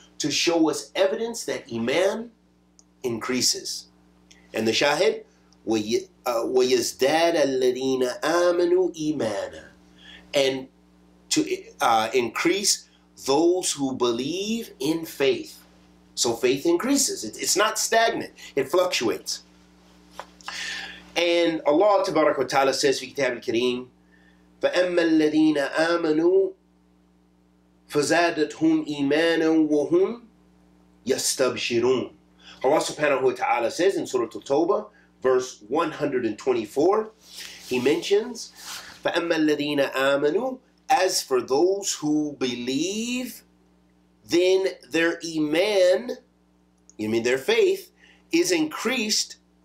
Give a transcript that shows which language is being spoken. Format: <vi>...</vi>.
<en>To show us evidence that iman increases. And the shahid,</en> <ar>وَيَزْدَادَ الَّذِينَ آمَنُوا إِيمَانًا,</ar> <en>and to increase those who believe in faith. So faith increases. It's not stagnant. It fluctuates.</en> <ar>And Allah تبارك وتعالى says في كتاب الكريم, فَأَمَّا الَّذِينَ آمَنُوا فَزَادَتْهُمْ إِيمَانًا وَهُمْ يَسْتَبْشِرُونَ.</ar> <en>Allah subhanahu wa ta'ala says in Surah Al-Tawbah, verse 124, He mentions,</en> <ar>فَأَمَّا الَّذِينَ آمَنُوا,</ar> <en>as for those who believe, then their iman, you mean their faith, is increased.</en>